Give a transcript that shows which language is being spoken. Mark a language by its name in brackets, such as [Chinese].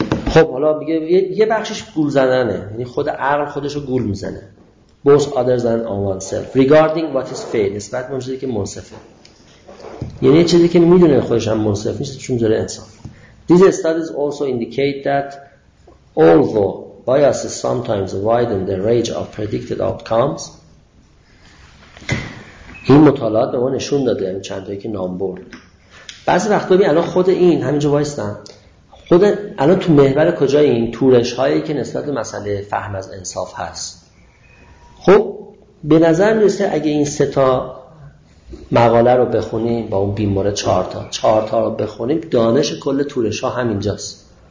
[Persian] خب حالا میگه یه بخشش گول زدنه، یعنی خود عقل خودش رو گول میزنه، [English] both others and oneself regarding what is fair، [Persian] نسبت به چیزی که منصفه، یعنی چیزی که میدونه خودش هم منصف نیست چون داره انصاف. [English] These studies also indicate that although bias is sometimes widen the range of predicted outcomes. [Persian] این مطالعات به ما نشون داده، چند تایی که نام برد، بعضی وقتا بیان الان خود این همینجا وایستم، خود الان تو محور کجای این تورش هایی که نسبت به مسئله فهم از انصاف هست؟ خب به نظر میرسه اگه این سه تا مقاله رو بخونیم با اون بیماره چهار تا رو بخونیم، دانش کل تورش ها همینجاست.